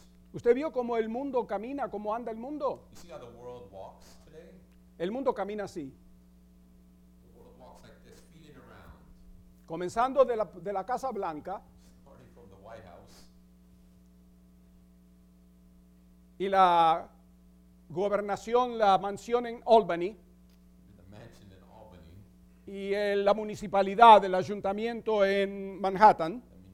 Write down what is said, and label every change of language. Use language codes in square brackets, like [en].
[es] ¿Usted vio cómo el mundo camina, cómo anda el mundo? [en] You see how the world walks today? [es] El mundo camina así. [en] The world walks like this, feeling around. [es] Comenzando de la Casa Blanca. [en] Starting from the White House. [es] Y la gobernación, la mansión en Albany. [en] The mansion in Albany. [es] Y la municipalidad, el ayuntamiento en Manhattan.